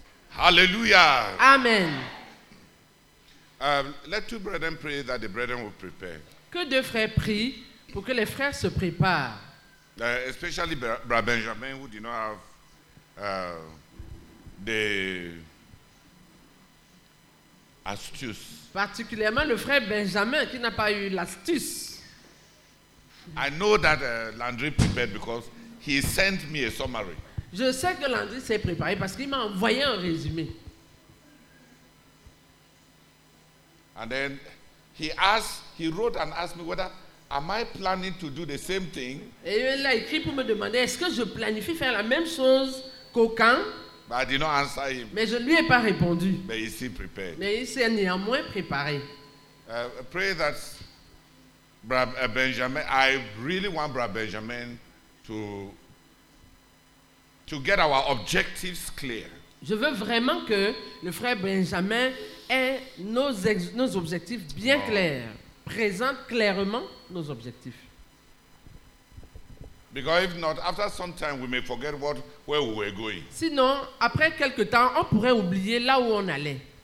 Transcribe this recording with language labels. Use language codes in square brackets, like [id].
[en] Hallelujah. Amen. Let 2 brethren pray that the brethren will prepare. [fr] Que 2 frères prient pour que les frères se préparent. [en] Especially Brother Benjamin, who did not have the astuce. [fr] Particulièrement le frère Benjamin qui n'a pas eu l'astuce. [en] I know that Landry prepared because he sent me a summary. [fr] Je sais que Landry s'est préparé parce qu'il m'a envoyé un résumé. [en] And then he wrote and asked me whether am I planning to do the same thing? [fr] Et il a écrit pour me demander est-ce que je planifie faire la même chose qu'au camp? [en] But I did not answer him. [fr] Mais je ne lui ai pas répondu. [en] But he still prepared. [fr] Mais il s'est néanmoins préparé. [en] Pray that Benjamin, I really want Brother Benjamin to get our objectives clear. [fr] Je veux vraiment que le frère Benjamin ait nos objectifs bien clairs, présente clairement nos objectifs. [en] Because if not, after some time we may forget where we were going. [fr] Sinon, après quelque temps, on pourrait oublier là où on allait.